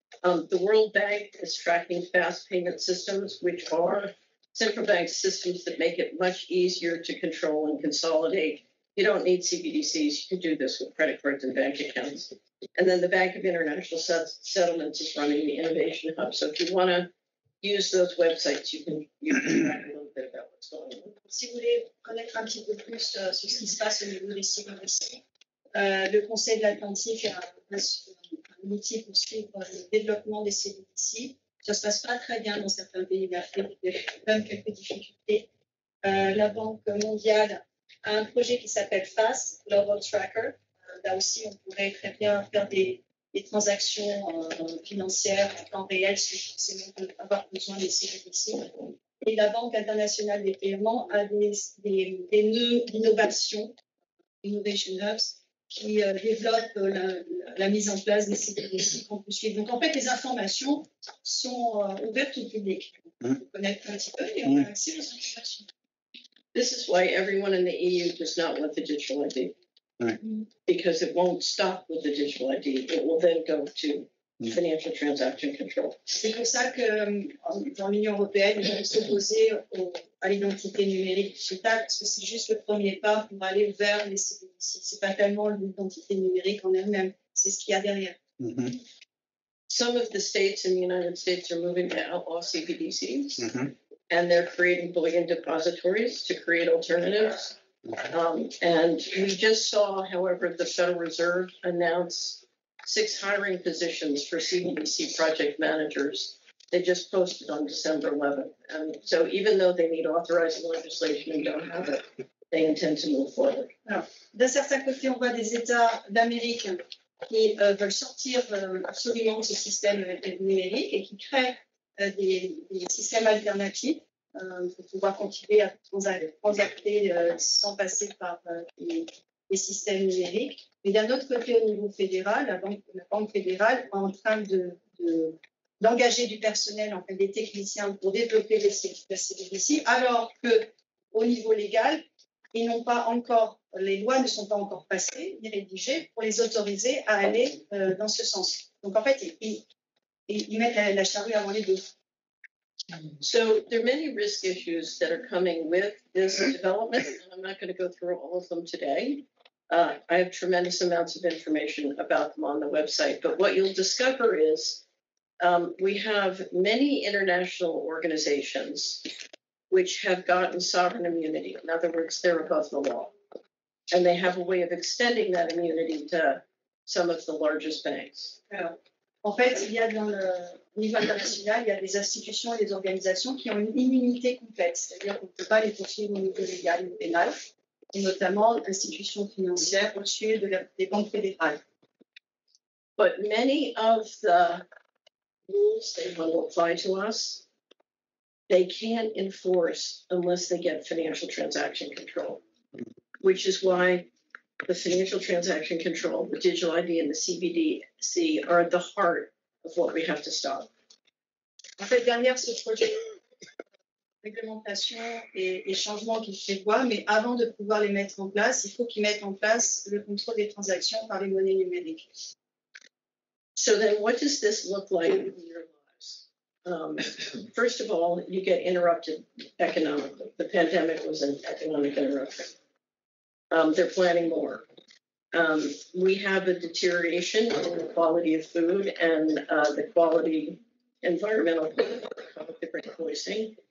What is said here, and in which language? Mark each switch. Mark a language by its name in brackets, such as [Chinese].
[English] The World Bank is tracking fast payment systems, which are central bank systems that make it much easier to control and consolidate. You don't need CBDCs. You can do this with credit cards and bank accounts. And then the Bank of International Settlements is running the Innovation Hub. So if you want to use those websites, you can track a little bit about what's going on. [French] Si vous voulez connaître un petit peu plus sur ce qui se passe au niveau des CBDCs. Le Conseil de l'Atlantique a un outil pour suivre le développement des CBDC. Ça ne se passe pas très bien dans certains pays d'Afrique, il y a même quelques difficultés. La Banque mondiale a un projet qui s'appelle FAST, Global Tracker. Là aussi, on pourrait très bien faire des transactions financières en temps réel sans forcément avoir besoin des CBDC. Et la Banque internationale des paiements a des nœuds d'innovation, Innovation Hubs, qui développe la mise en place des CBDC qu'on peut suivre. Donc, en fait, les informations sont ouvertes au public. On peut connaître un petit peu et on a accès aux informations. [English] This is why everyone in the EU does not want the digital ID. Right. Because it won't stop with the digital ID. It will then go to financial transaction control. [French] C'est pour ça que dans l'Union européenne, ils vont s'opposer à l'identité numérique digitale, parce que c'est juste le premier pas pour aller vers les CBDC. C'est pas tellement l'identité numérique en elle-même, c'est ce qu'il y a derrière. Mm-hmm. [English] Some of the states in the United States are moving to outlaw CBDCs, mm-hmm. and they're creating bullion depositories to create alternatives. And we just saw, however, the Federal Reserve announce 6 hiring positions for CBDC project managers. They just posted on December 11th. And so even though they need authorizing legislation and don't have it, they intend to move forward. [French] Alors, d'un certain côté, on voit des États d'Amérique qui veulent sortir absolument ce système numérique et qui créent des systèmes alternatifs pour pouvoir continuer à transacter sans passer par les systèmes numériques. Mais d'un autre côté, au niveau fédéral, la banque fédérale est en train d'engager du personnel, en fait, des techniciens pour développer les CBDC, alors qu'au niveau légal, ils n'ont pas encore, les lois ne sont pas encore passées ni rédigées pour les autoriser à aller dans ce sens. Donc en fait, ils mettent la charrue avant les bœufs. [English] So there are many risk issues that are coming with this development, and I'm not going to go through all of them today. I have tremendous amounts of information about them on the website, but what you'll discover is we have many international organizations which have gotten sovereign immunity. In other words, they're above the law, and they have a way of extending that immunity to some of the largest banks. [French] En fait, il y a dans le niveau international, il y a des institutions et des organisations qui ont une immunité complète, c'est-à-dire qu'on ne peut pas les poursuivre au niveau légal ou pénal, et notamment institutions financières au-dessus des banques fédérales. [English] But many of the rules they want to apply to us, they can't enforce unless they get financial transaction control, which is why the financial transaction control, the digital ID and the CBDC are at the heart of what we have to stop. [French] En fait, derrière ce projet de réglementation et changements qu'ils prévoient, mais avant de pouvoir les mettre en place, il faut qu'ils mettent en place le contrôle des transactions par les monnaies numériques. [English] So then what does this look like in your lives? First of all, you get interrupted economically. The pandemic was an economic interruption. They're planning more. We have a deterioration in the quality of food and the quality environmental different voicing.